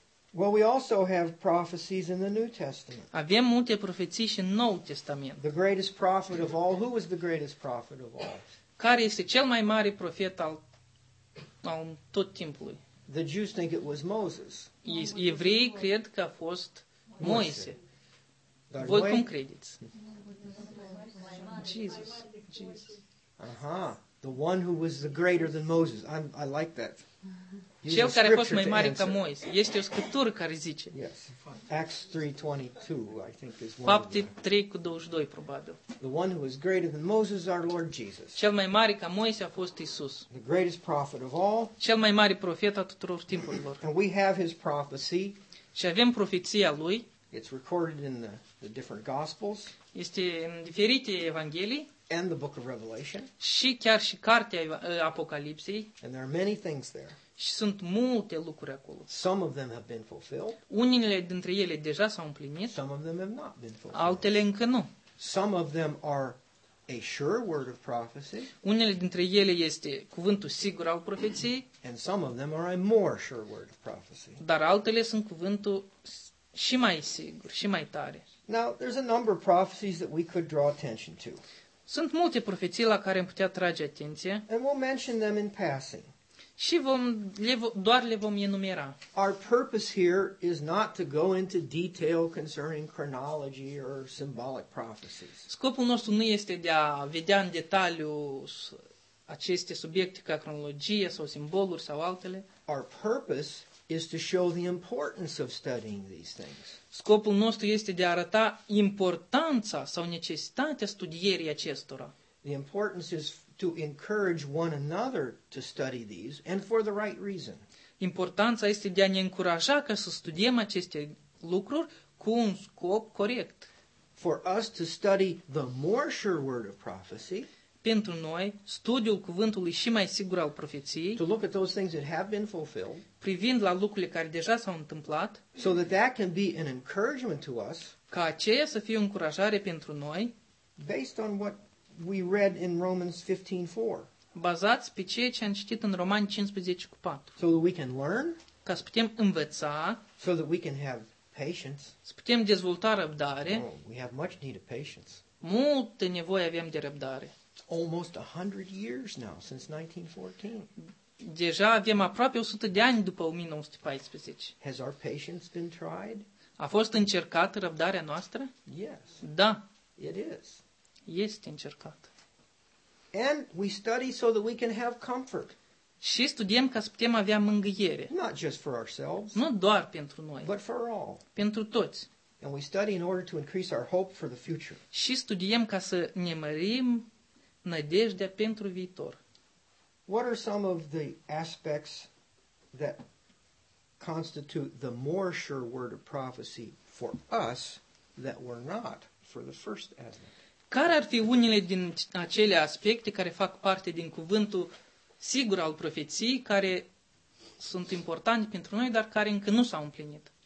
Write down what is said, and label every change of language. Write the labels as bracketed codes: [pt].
[en] Well, we also have prophecies in the New Testament. [ro] Avem multe profeții și în Noul Testament. [en] The greatest prophet of all. Who was the greatest prophet of all? [ro] Care este cel mai mare profet al tot timpului? [en] The Jews think it was Moses. [ro] Evrei cred că a fost Moise. Dar voi noi... cum credeți? [en] Jesus. Uh-huh. The one who was the greater than Moses. I like that. [ro] Use cel care a fost mai mare ca Moise. Este o scriptură care zice. [en] Yes. Acts 3:22, I think is one. [ro] Fapte 3:22 probabil. [en] The one who was greater than Moses, our Lord Jesus. [ro] Cel mai mare ca Moise a fost Isus. [en] The greatest prophet of all. [ro] Cel mai mare profet a tuturor timpurilor. [en] And we have his prophecy. [ro] Și avem profeția lui. [en] It's recorded in the different gospels. [ro] Este în diferite evanghelii. [en] And the book of Revelation. [ro] Și chiar și cartea Apocalipsei. [en] And there are many things there. [ro] Și sunt multe lucruri acolo. [en] Some of them have been fulfilled. [ro] Unele dintre ele deja s-au împlinit. [en] Some of them have not been fulfilled. [ro] Altele încă nu. [en] Some of them are a sure word of prophecy. [ro] Unele dintre ele este cuvântul sigur al profeției. [en] And some of them are a more sure word of prophecy. [ro] Dar altele sunt cuvântul și mai sigur, și mai tare. [en] Now, there's a number of prophecies that we could draw attention to. [ro] Sunt multe profeții la care am putea trage atenție. [en] And we'll mention them in passing. [ro] Și doar le vom enumera. [en] Our purpose here is not to go into detail concerning chronology or symbolic prophecies. [ro] Scopul nostru nu este de a vedea în detaliu aceste subiecte ca cronologie sau simboluri sau altele. [en] Our purpose is to show the importance of studying these things. [ro] Scopul nostru este de a arăta importanța sau necesitatea studierii acestora. [en] The importance is to encourage one another to study these and for the right reason. [ro] Importanța este de a ne încuraja ca să studiem aceste lucruri cu un scop corect. [en] For us to study the more sure word of prophecy. [ro] Pentru noi, studiul cuvântului și mai sigur al profeției. [en] To look at those things that have been fulfilled. [ro] Privind la lucrurile care deja s-au întâmplat. [en] So that can be an encouragement to us. [ro] Ca aceea să fie o încurajare pentru noi. [en] Based on what we read in Romans 15:4. [ro] Bazați pe ceea ce am citit în Romani 15:4. [en] So that we can learn. [ro] Ca să putem învăța. [en] So that we can have patience. [ro] Să putem dezvolta răbdare. [en] Oh, we have much need of patience. [ro] Multă nevoie avem de răbdare. [en] Almost 100 years now since 1914. [ro] Deja avem aproape 100 de ani după 1914. [en] Has our patience been tried? [ro] A fost încercată răbdarea noastră? [en] Yes. [ro] Da. [en] It is. [ro] Este încercată. [en] And we study so that we can have comfort. [ro] Și studiem ca să putem avea mângâiere. [en] Not just for ourselves. [ro] Nu doar pentru noi. [en] But for all. [ro] Pentru toți. [en] And we study in order to increase our hope for the future. [ro] Și studiem ca să ne mărim nădejdea pentru viitor. [en] What are some of the aspects that constitute the more sure word of prophecy for us that were not for the first advent? [ro] Care ar fi unele din acele aspecte care fac parte din cuvântul sigur al profeției care sunt importante pentru noi, dar care încă nu s-au împlinit?